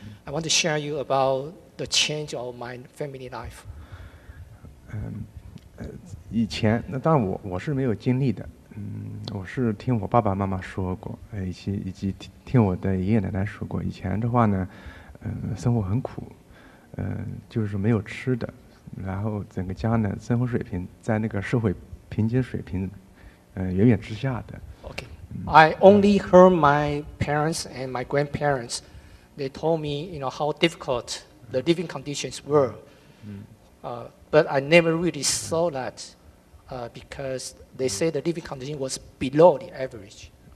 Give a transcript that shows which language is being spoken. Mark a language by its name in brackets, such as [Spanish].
[English] I want to share you about the change of my family life. [Chinese] 以前那当然我是没有经历的，我是听我爸爸妈妈说过，以及听我的爷爷奶奶说过。以前的话呢，生活很苦，就是没有吃的，然后整个家呢生活水平在那个社会平均水平，远远之下的。 [English] Okay, I only heard my parents and my grandparents, they told me, you know, how difficult the living conditions were. But I never really saw that, because they say the living condition was below the average.